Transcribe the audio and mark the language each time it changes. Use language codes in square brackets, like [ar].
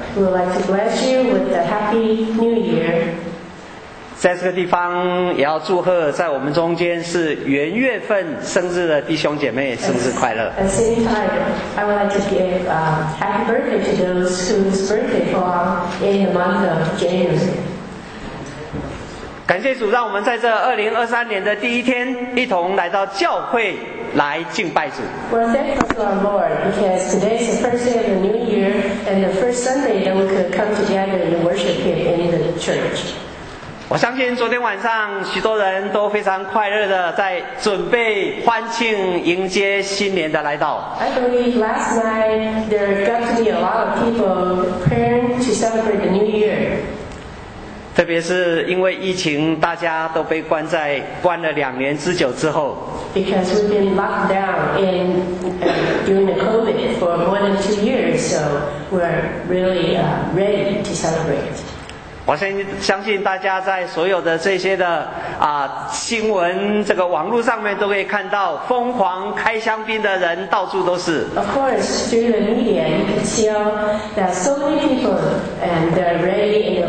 [en] We would like to bless you with a happy new year. [zh] 在这个地方也要祝贺在我们中间是元月份生日的弟兄姐妹生日快乐。 [en] At the same time, I would like to give happy birthday to those whose birthday fall in the month of January. [zh] 感谢主，让我们在这2023年的第一天一同来到教会来敬拜主。 [en] We're thankful to our Lord because today is the first day of the new year and the first Sunday that we could come together and worship Him in the church. [zh] 我相信昨天晚上许多人都非常快乐的在准备欢庆迎接新年的来到。 [en] I believe last night there got to be a lot of people preparing to celebrate the new year. [zh] 特别是因为疫情，大家都被关在关了两年之久之后。 [en] Because we've been locked down in during the COVID for more than 2 years, so we're really ready to celebrate. [zh] 我相信大家在所有的这些的新闻这个网络上面都可以看到，疯狂开香槟的人到处都是。 [en] Of course, through the media, you can see that so many people and they're ready.